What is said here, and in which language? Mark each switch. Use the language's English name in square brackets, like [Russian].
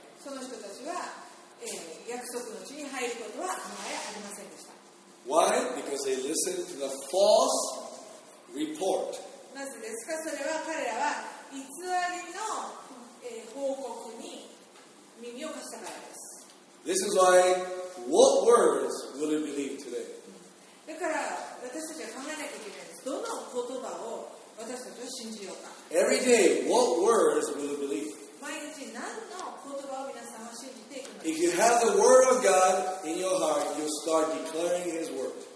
[Japanese] その人たちは、約束の地に入ることはあまりありませんでした。 [English] Why? Because they listened to the false report. [Japanese] なぜですか？それは彼らは偽りの、報告に耳を貸したからです。 [English] This is why, what words will you believe today? [Japanese] だから私たちは考えなきゃいけないです。どの言葉を私たちは信じようか。 [English] Every day, what words will you believe? [Japanese] 毎日何の言葉を皆さんは信じていくのですか？ [English] If you have the word of God in your heart, you'll start declaring His word.